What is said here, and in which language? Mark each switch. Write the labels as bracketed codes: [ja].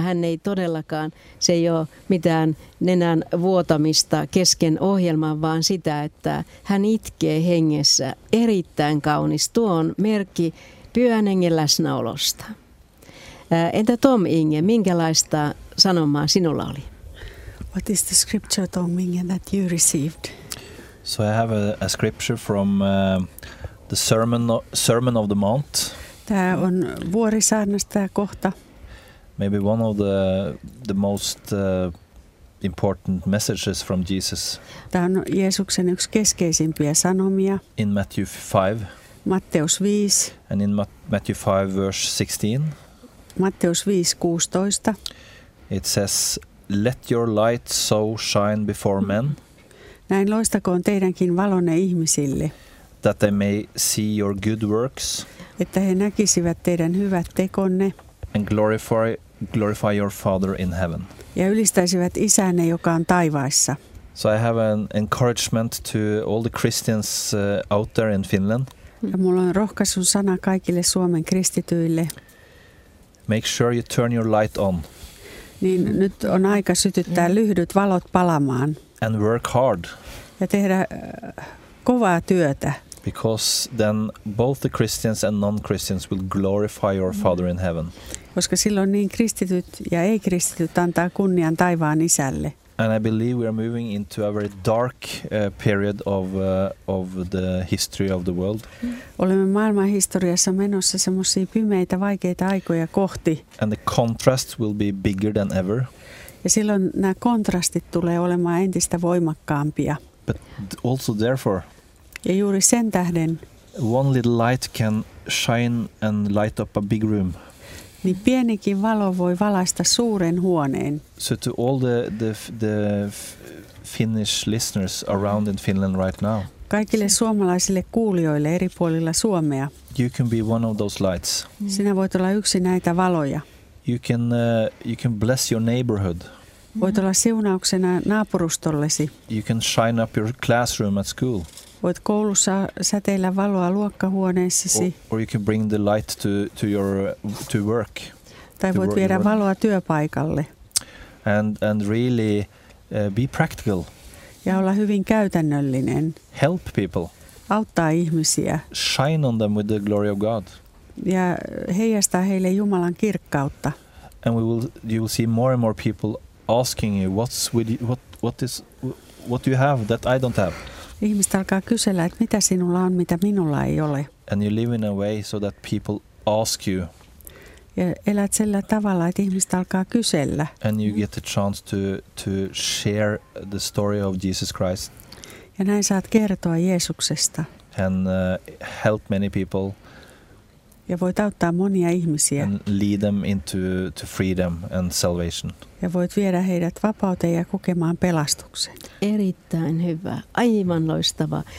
[fi] Hän ei todellakaan, se ei ole mitään nenän vuotamista kesken ohjelman, vaan sitä, että hän itkee hengessä. Erittäin kaunis. Tuo on merkki pyhän hengen läsnäolosta. Entä Tom Inge, minkälaista sanomaa sinulla oli? [en] What is the scripture, Tom Inge, that you received? So I have a scripture from the sermon of the mount. [fi] Tämä on vuorisaarnasta kohta. [en] Maybe one of the most important messages from Jesus. [fi] Tämä on Jeesuksen yksi keskeisimpiä sanomia. [en] In Matthew 5. [fi] Matteus 5. [en] And in Matthew 5 verse 16. [fi] Matteus 5:16. [en] It says, "Let your light so shine before men." [fi] Näin loistakoon teidänkin valonne ihmisille. [en] That they may see your good works. [fi] Että he näkisivät teidän hyvät tekonne. [en] And glorify your Father in heaven. [fi] Ja ylistäisivät isänne, joka on taivaissa. [en] So I have an encouragement to all the Christians out there in Finland. [fi] Ja mulla on rohkaisun sana kaikille Suomen kristityille. [en] Make sure you turn your light on. [fi] Niin nyt on aika sytyttää lyhdyt valot palamaan. [en] And work hard. [fi] Ja tehdä kovaa työtä. [en] Because then both the Christians and non-Christians will glorify your Father in heaven. [fi] Koska silloin niin kristityt ja ei-kristityt antaa kunnian taivaan isälle. [en] And I believe we are moving into a very dark period of the history of the world. [fi] Olemme maailman historiassa menossa semmoisia pimeitä, vaikeita aikoja kohti. [en] And the contrast will be bigger than ever. [fi] Ja silloin nämä kontrastit tulee olemaan entistä voimakkaampia. [en] But also therefore. [fi] Ja juuri sen tähden. [en] One little light can shine and light up a big room. [fi] Niin pienikin valo voi valaista suuren huoneen. [en] So to all the Finnish listeners around in Finland right now. [fi] Kaikille suomalaisille kuulijoille eri puolilla Suomea. [en] You can be one of those lights. [fi] Sinä voit olla yksi näitä valoja. [en] you can bless your neighborhood. [fi] Voit olla siunauksena naapurustollesi. [en] You can shine up your classroom at school. [fi] Voit koulussa säteillä valoa luokkahuoneessasi. [en] Or you can bring the light to work. [fi] Tai voit viedä valoa työpaikalle. [en] And really be practical. [fi] Ja olla hyvin käytännöllinen. [en] Help people. [fi] Auttaa ihmisiä. [en] Shine on them with the glory of God. [fi] Ja heijastaa heille Jumalan kirkkautta. [en] And you will see more and more people asking you what do you have that I don't have. [fi] Ihmiset alkaa kysellä, että mitä sinulla on, mitä minulla ei ole. [en] And you live in a way so that people ask you. [fi] Ja elät sillä tavalla, että ihmiset alkaa kysellä. [en] And you get the chance to share the story of Jesus Christ. [fi] Ja näin saat kertoa Jeesuksesta. [en] And help many people. [fi] Ja voit auttaa monia ihmisiä. [en] And lead them into freedom and salvation. [fi] Ja voit viedä heidät vapauteen ja kokemaan pelastuksen. Erittäin hyvä. Aivan loistava.